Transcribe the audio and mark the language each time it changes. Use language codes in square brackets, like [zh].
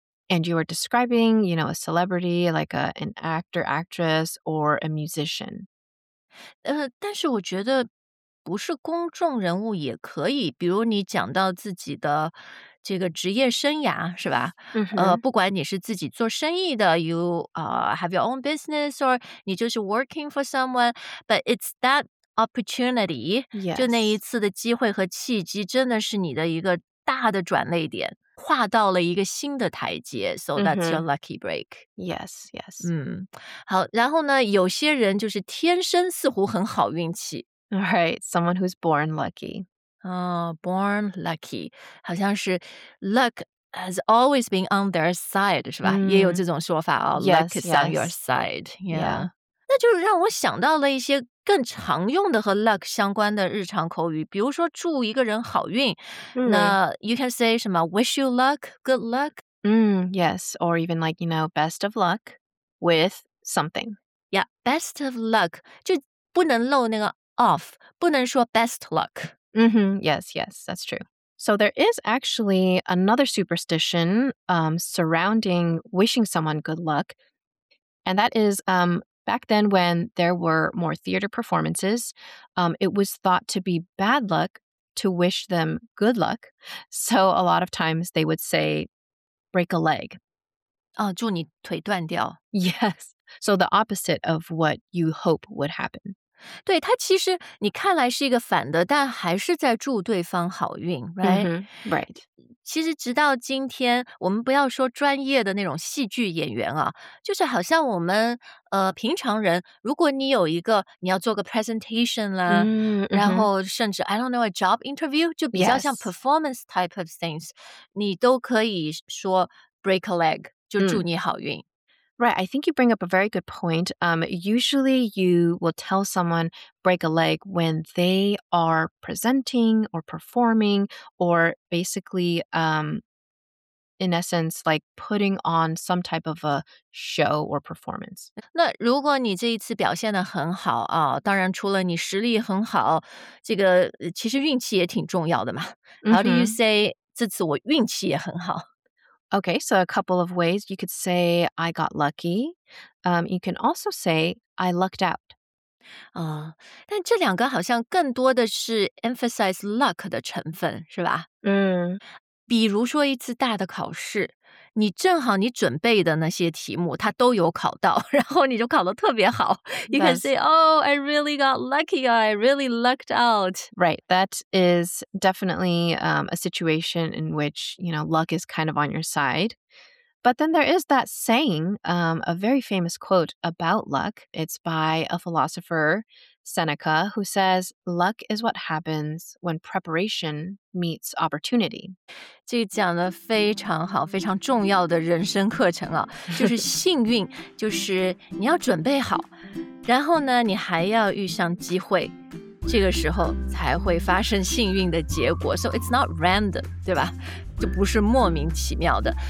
[en] And you are describing, you know, a celebrity, like an actor, actress, or a musician. [zh] 但是我觉得不是公众人物也可以，比如你讲到自己的这个职业生涯，是吧？ Mm-hmm. 不管你是自己做生意的 [en] ，you have your own business, or [zh] 你就是 [en] working for someone, but it's that opportunity、 yes. [zh] 就那一次的机会和契机真的是你的一个大的转捩点，跨到了一个新的台阶。 [en] So that's、mm-hmm. your lucky break. Yes, yes. [zh] 嗯，好，然后呢，有些人就是天生似乎很好运气。 [en] Right, someone who's born lucky. Born lucky. [zh] 好像是 [en] luck has always been on their side, [zh] 是吧、 [en] mm. [zh] 也有这种说法、哦、 [en] yes, luck is、 yes. on your side. Yeah. Yeah. [zh] 那就让我想到了一些更常用的和 luck 相关的日常口语，比如说祝一个人好运、 mm. 那 [en] you can say [zh] 什么 [en] wish you luck, good luck、 mm, yes, or even like, you know, best of luck with something. Yeah, best of luck [zh] 就不能漏那个 [en] off， [zh] 不能说 [en] best luck、 mm-hmm, yes, yes, that's true. So there is actually another superstition surrounding wishing someone good luck, and that is back then, when there were more theater performances, it was thought to be bad luck to wish them good luck. So a lot of times they would say, break a leg. [zh] Oh, 祝你腿断掉。 [en] Yes. So the opposite of what you hope would happen. [zh] 对，它其实你看来是一个反的，但还是在祝对方好运， right? [en] Mm-hmm. Right. [zh] 其实直到今天，我们不要说专业的那种戏剧演员啊，就是好像我们平常人，如果你有一个你要做个 presentation 啦、 mm-hmm. 然后甚至 [en] I don't know a job interview， [zh] 就比较像 [en] performance type of things、 yes. [zh] 你都可以说 [en] break a leg [zh] 就祝你好运。Mm. [en] Right, I think you bring up a very good point. Usually you will tell someone break a leg when they are presenting or performing or basically, in essence, like putting on some type of a show or performance. [zh] 那如果你这一次表现得很好啊，当然除了你实力很好，这个其实运气也挺重要的嘛。 Mm-hmm. [en] How do you say [zh] 这次我运气也很好？ [en] Okay, so a couple of ways. You could say, I got lucky. You can also say, I lucked out. [zh] 但这两个好像更多的是 emphasize luck 的成分，是吧？比如说一次大的考试，你正好你准备的那些题目，它都有考到，然后你就考得特别好。 [en] You can say, oh, I really got lucky, I really lucked out. Right, that is definitely a situation in which, you know, luck is kind of on your side. But then there is that saying, a very famous quote about luck. It's by a philosopher, Seneca, who says, luck is what happens when preparation meets opportunity. [zh] 这个讲得非常好，非常重要的人生课程啊，就是幸运，就是你要准备好，然后呢，你还要遇上机会。这个时候才会发生幸运的结果。 [en] So it's not random, [zh] 对吧？就不是莫名其妙的。